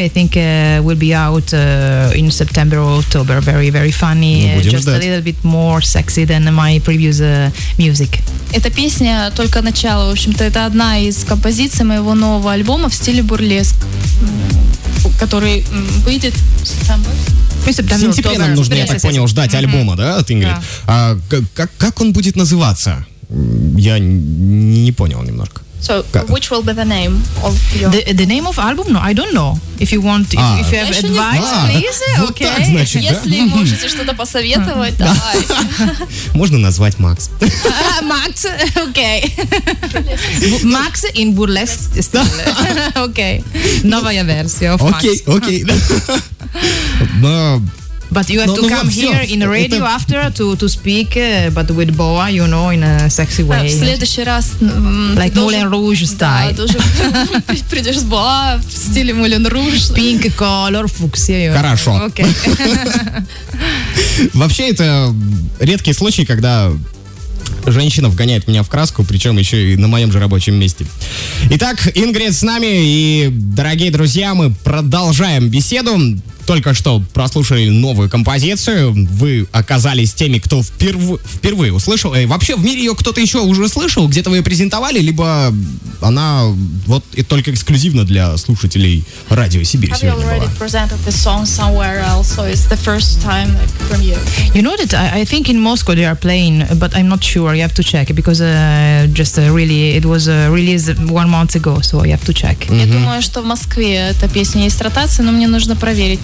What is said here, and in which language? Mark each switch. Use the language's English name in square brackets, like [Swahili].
[English] I think will be out in September or October. Very very funny. Just [Russian] ждать. [English] A little bit more sexy than my previous music. [Russian] Эта песня только начало. В общем-то, это одна из композиций моего нового альбома в стиле бурлеск, который выйдет в сентябре. В сентябре нам нужно, я так понял, ждать альбома, да, от Ingrid? [English] Yeah. [Russian] А как он будет называться? Я не понял немножко. [English] So, which will be the name of your... The name of album? No, I don't know. If you want, if you have advice, please, okay. [Russian] Вот так, значит, если да? можете что-то посоветовать, давай. Можно назвать Макс. Макс, окей. Макс [English] in burlesque style. [Russian] Окей. Новая версия of Макс. Окей, окей. [English] But you have to come here in the radio after to speak, but with boa, you know, in a sexy way. [Russian] В следующий раз... [English] Like Moulin Rouge style. [Russian] Да, тоже придешь с боа в стиле Moulin Rouge. [English] Pink color, fuchsia. [Russian] Хорошо. [English] Okay. [Russian] Вообще, это редкий случай, когда женщина вгоняет меня в краску, причем еще и на моем же рабочем месте. Итак, Ingrid с нами, и, дорогие друзья, мы продолжаем беседу. Только что прослушали новую композицию. Вы оказались теми, кто впервые услышал. И вообще в мире ее кто-то еще уже слышал? Где-то вы ее презентовали? Либо она вот и только эксклюзивно для слушателей Радио Сибирь сегодня была? [English] Have you already presented the song somewhere else? So it's the first time from you. You know that I think in Moscow they are playing, but I'm not sure. You have to check because it was released 1 month ago, so you have to check. [Russian] Я думаю, что в Москве эта песня есть ротация, но мне нужно проверить.